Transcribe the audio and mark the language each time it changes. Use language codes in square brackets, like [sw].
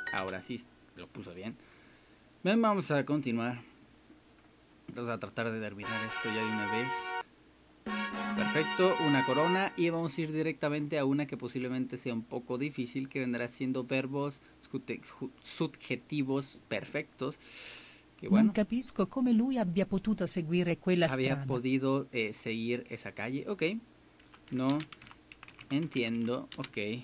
[es] Ahora sí, lo puso bien. Bien, vamos a continuar. vamos a tratar de terminar esto ya de una vez. Perfecto, una corona. Y vamos a ir directamente a una que posiblemente sea un poco difícil, que vendrá siendo verbos subjetivos perfectos. Que bueno, [it] non capisco come lui abbia potuto seguire quella [es] había [it] strada. [es] Había podido seguir esa calle. Ok. No entiendo. Ok.